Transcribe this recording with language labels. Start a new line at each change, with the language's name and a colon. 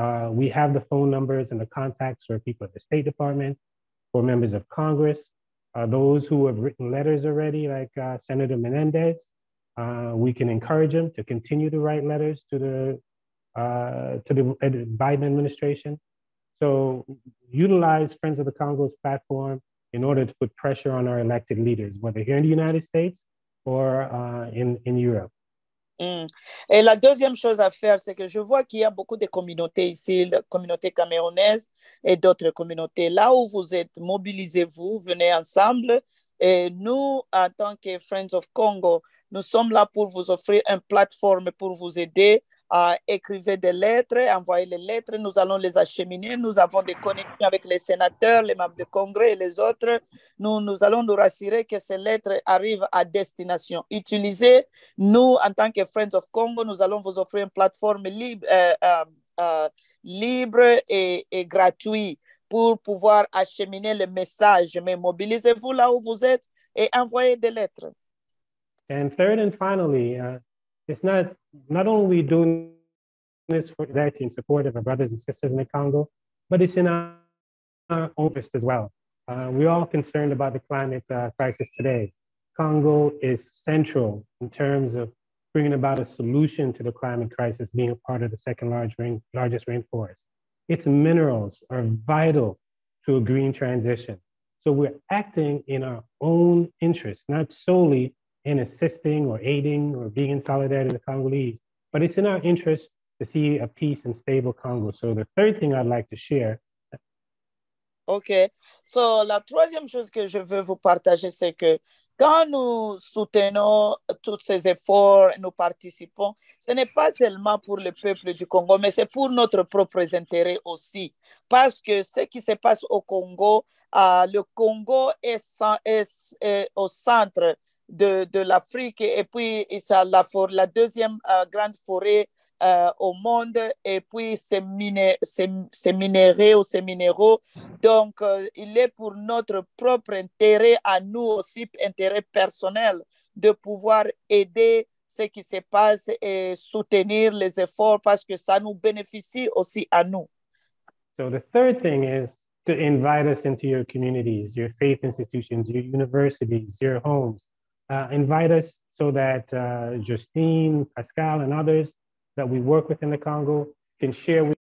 English: We have the phone numbers and the contacts for people at the State Department, for members of Congress, those who have written letters already, like Senator Menendez. We can encourage them to continue to write letters to the to the Biden administration. So utilize Friends of the Congo's platform in order to put pressure on our elected leaders, whether here in the United States or in Europe.
French: Et la deuxième chose à faire, c'est que je vois qu'il y a beaucoup de communautés ici, la communauté camerounaise et d'autres communautés. Là où vous êtes, mobilisez-vous, venez ensemble. Et nous, en tant que Friends of Congo, nous sommes là pour vous offrir une plateforme pour vous aider à écrire des lettres, envoyer les lettres. Nous allons les acheminer. Nous avons des connexions avec les sénateurs, les membres du Congrès et les autres. Nous allons nous rassurer que ces lettres arrivent à destination. Utilisez nous en tant que Friends of Congo. Nous allons vous offrir une plateforme libre et gratuite pour pouvoir acheminer les messages. Mais mobilisez-vous là où vous êtes et envoyez des lettres.
English: And third and finally, it's not only we doing this for that in support of our brothers and sisters in the Congo, but it's in our own interest as well. We're all concerned about the climate crisis today. Congo is central in terms of bringing about a solution to the climate crisis, being a part of the second largest rainforest. Its minerals are vital to a green transition. So we're acting in our own interest, not solely in assisting or aiding or being in solidarity with the Congolese, but it's in our interest to see a peace and stable Congo. So the third thing I'd like to share. Okay, so
French: la troisième chose que je veux vous partager, c'est que quand nous soutenons tous ces efforts, nous participons, ce n'est pas seulement pour le peuple du Congo, mais c'est pour notre propre intérêt aussi. Parce que ce qui se passe au Congo, le Congo est au centre de l'Afrique et puis c'est la deuxième grande forêt au monde et puis ces minéraux. Donc, il est pour notre propre intérêt à nous aussi, intérêt personnel, de pouvoir aider ce qui se passe et soutenir les efforts parce que ça nous bénéficie aussi à nous.
English: So the third thing is to invite us into your communities, your faith institutions, your universities, your homes. Invite us so that Justine, Pascal, and others that we work with in the Congo can share with